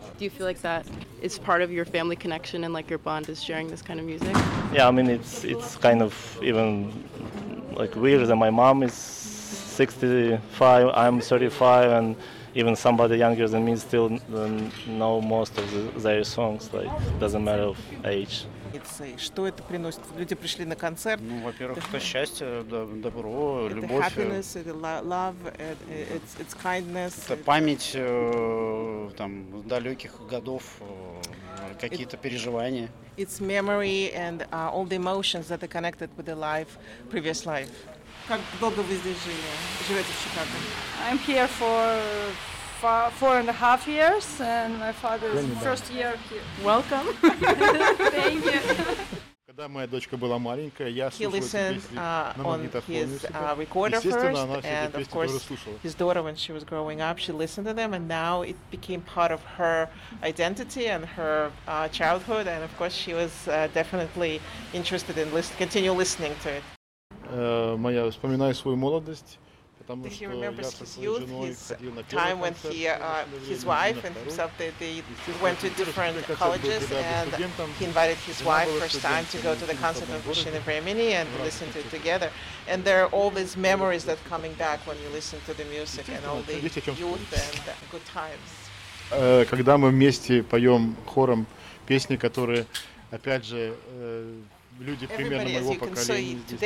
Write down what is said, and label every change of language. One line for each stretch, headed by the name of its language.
English: Do you feel like that is part of your family connection and like your bond is sharing this kind of music? Yeah, I mean, it's kind of even like weird that my mom is 65, I'm 35, and even somebody younger than me still know most of their songs. Like, doesn't matter of age.
Russian: Что это приносит? Люди пришли на концерт. Ну, во-первых, это счастье, добро, любовь.
English: Happiness, love, it's kindness.
Russian: Это память там далеких годов, какие-то переживания.
English: It's memory and all the emotions that are connected with the life, previous life.
Russian: Как долго вы здесь жили? Живете в Чикаго?
English: I'm here for 4.5 years, and my father's first year here. Welcome. Thank you.
Russian: Когда моя дочка была маленькая, я слушал эти песни на магнитофоне. Естественно, она все эти песни тоже слушала.
English: His daughter, when she was growing up, she listened to them, and now it became part of her identity and her childhood. And of course, she was definitely interested in continue listening to it.
Russian: Моя, вспоминаю свою молодость. Потому
English: he remembers his youth, his time when he, his wife and himself, they went to different colleges, and he invited his wife first time to go to the concert of Мужчины времени and listen to it together. And there are all these memories that coming back when you listen to the music and all the youth and the good times.
Russian: Когда мы вместе поем хором песни, которые, опять же, люди примерно моего поколения